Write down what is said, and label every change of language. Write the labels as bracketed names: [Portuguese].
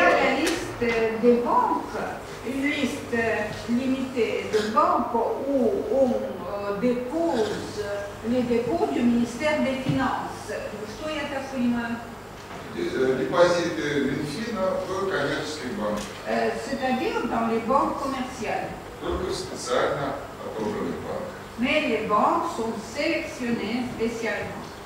[French] дней, il y a la liste des banques, une liste limitée de banques où on dépose les dépôts du ministère des Finances. [Russian] Что я так понимаю? Депозиты Минфина в коммерческие банки. [French] C'est-à-dire dans les banques commerciales. [Russian] Только специально отобранные банки. [French] Mais les banques sont sélectionnées spécialement.